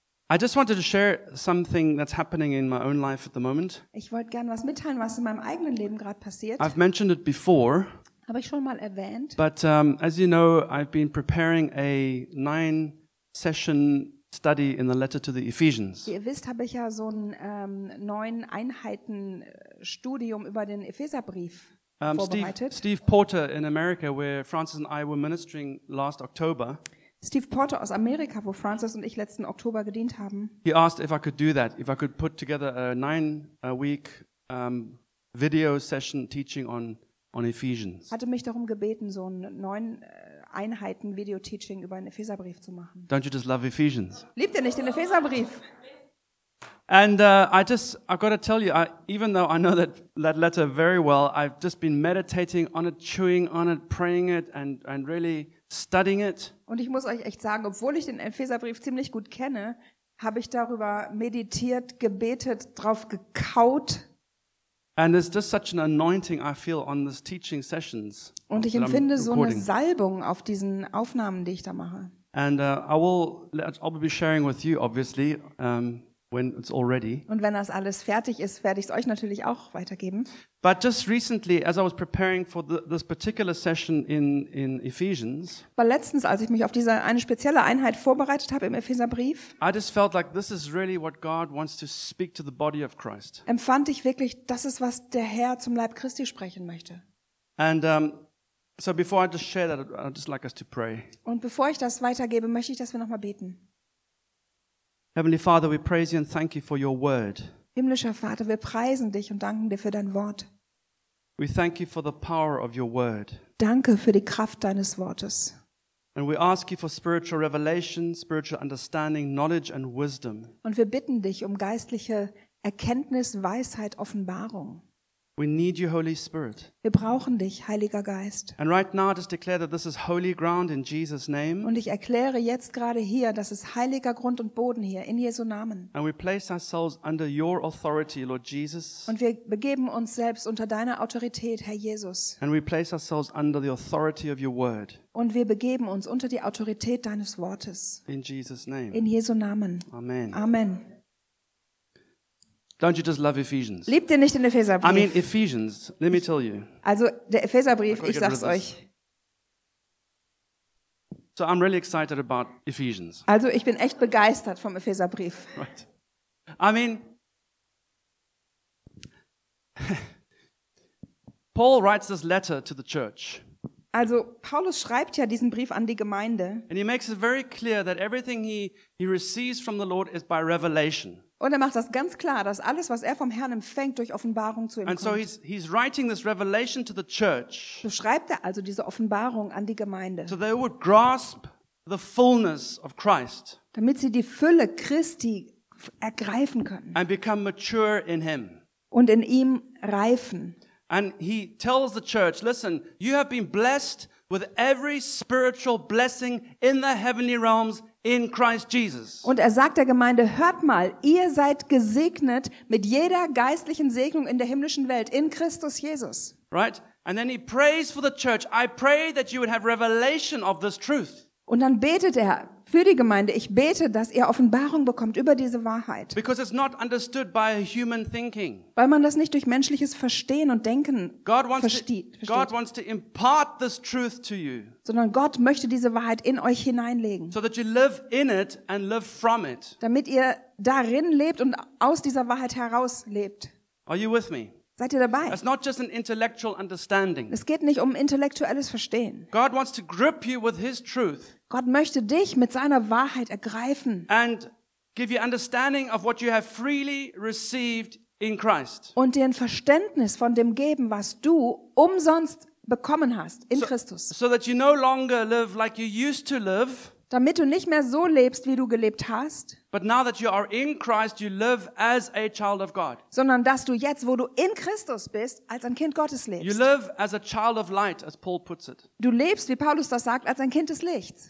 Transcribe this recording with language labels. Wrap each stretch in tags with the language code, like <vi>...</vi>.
<en>I just wanted to share something that's happening in my own life at the moment.</en> <de>Ich wollte gern was mitteilen, was in meinem eigenen Leben gerade passiert.</de> <en>I've mentioned it before.</en> <de>Habe ich schon mal erwähnt.</de> <en>But as you know, I've been preparing a 9-session study in the letter to the Ephesians.</en> <de>Wie ihr wisst, habe ich ja so ein 9-Einheiten Studium über den Epheserbrief.</de> <en>Steve Porter in America, where Francis and I were ministering last October.</en> <de>Steve Porter aus Amerika, wo Francis und ich letzten Oktober gedient haben.</de> <en>He asked if I could do that, if I could put together a 9-week video session teaching on Ephesians.</en> <de>Hatte mich darum gebeten, so ein 9-Einheiten Video Teaching über einen Epheserbrief zu machen.</de> <en>Don't you just love Ephesians?</en> <de>Liebt ihr nicht den Epheserbrief?</de> <en>And I got to tell you, even though I know that letter very well, I've just been meditating on it, chewing on it, praying it, and really studying it.</en> <de>Und ich muss euch echt sagen, obwohl ich den Epheserbrief ziemlich gut kenne, habe ich darüber meditiert, gebetet, drauf gekaut.</de> <en>And there's just such an anointing I feel on these teaching sessions.</en> <de>Und ich empfinde so eine Salbung auf diesen Aufnahmen, die ich da mache.</de> <en>And I'll be sharing with you, obviously. When it's already.</en> <de>Und wenn das alles fertig ist, werde ich es euch natürlich auch weitergeben.</de> <en>But just recently, as I was preparing for this particular session in Ephesians,</en> <de>weil letztens, als ich mich auf diese eine spezielle Einheit vorbereitet habe im Epheserbrief,</de> <en>I just felt like this is really what God wants to speak to the body of Christ.</en> <de>Empfand ich wirklich, das ist, was der Herr zum Leib Christi sprechen möchte.</de> <en>And so before I just share that, I'd just like us to pray.</en> <de>Und bevor ich das weitergebe, möchte ich, dass wir nochmal beten.</de> <en>Heavenly Father, we praise you and thank you for your word.</en> <de>Himmlischer Vater, wir preisen dich und danken dir für dein Wort.</de> <en>We thank you for the power of your word.</en> <de>Danke für die Kraft deines Wortes.</de> <en>And we ask you for spiritual revelation, spiritual understanding, knowledge and wisdom.</en> <de>Und wir bitten dich um geistliche Erkenntnis, Weisheit, Offenbarung.</de> <en>We need you, Holy Spirit.</en> <de>Wir brauchen dich, Heiliger Geist.</de> <en>And right now, I just declare that this is holy ground in Jesus' name.</en> <de>Und ich erkläre jetzt gerade hier, das ist heiliger Grund und Boden hier in Jesu Namen.</de> <en>And we place ourselves under your authority, Lord Jesus.</en> <de>Und wir begeben uns selbst unter deiner Autorität, Herr Jesus.</de> <en>And we place ourselves under the authority of your word.</en> <de>Und wir begeben uns unter die Autorität deines Wortes.</de> <en>In Jesus' name.</en> <de>In Jesu Namen.</de> <en>Amen.</en> <de>Amen.</de> <en>Don't you just love Ephesians?</en> <de>Liebt ihr nicht den Epheserbrief?</de> <en>I mean Ephesians, let me tell you.</en> <de>Also der Epheserbrief, ich sag's euch.</de> <en>So I'm really excited about Ephesians.</en> <de>Also ich bin echt begeistert vom Epheserbrief.</de> <en>Right. I mean Paul writes this letter to the church.</en> <de>Also Paulus schreibt ja diesen Brief an die Gemeinde.</de> <en>And he makes it very clear that everything he receives from the Lord is by revelation.</en> <de>Und er macht das ganz klar, dass alles, was er vom Herrn empfängt, durch Offenbarung zu ihm kommt.</de> <en>so he's writing this revelation to the church.</en> <de>So schreibt er also diese Offenbarung an die Gemeinde.</de> <en>So they would grasp the fullness of Christ.</en> <de>Damit sie die Fülle Christi ergreifen können.</de> <en>And become mature in him.</en> <de>Und in ihm reifen.</de> <en>And he tells the church, listen, you have been blessed with every spiritual blessing in the heavenly realms. In Christ Jesus.</en> <de>Und er sagt der Gemeinde, hört mal, ihr seid gesegnet mit jeder geistlichen Segnung in der himmlischen Welt, in Christus Jesus.</de> <en>Right? And then he prays for the church. I pray that you would have revelation of this truth.</en> <de>Und dann betet er für die Gemeinde. Ich bete, dass ihr Offenbarung bekommt über diese Wahrheit.</de> <en>Because it's not understood by human thinking.</en> <de>Weil man das nicht durch menschliches Verstehen und Denken versteht.</de> <en>God wants to impart this truth to you.</en> <de>Sondern Gott möchte diese Wahrheit in euch hineinlegen.</de> <en>So that you live in it and live from it.</en> <de>Damit ihr darin lebt und aus dieser Wahrheit heraus lebt.</de> <en>Are you with me?</en> <de>Seid ihr dabei?</de> <en>It's not just an intellectual understanding.</en> <de>Es geht nicht um intellektuelles Verstehen.</de> <en>God wants to grip you with his truth.</en> <de>Gott möchte dich mit seiner Wahrheit ergreifen.</de> <en>And give you understanding of what you have freely received in Christ.</en> <de>Und dir ein Verständnis von dem geben, was du umsonst bekommen hast in Christus.</de> <en>So that you no longer live like you used to live.</en> <de>Damit du nicht mehr so lebst, wie du gelebt hast.</de> <en>But now that you are in Christ, you live as a child of God.</en> <de>Sondern dass du jetzt, wo du in Christus bist, als ein Kind Gottes lebst.</de> <en>You live as a child of light, as Paul puts it.</en> <de>Du lebst, wie Paulus das sagt, als ein Kind des Lichts.</de>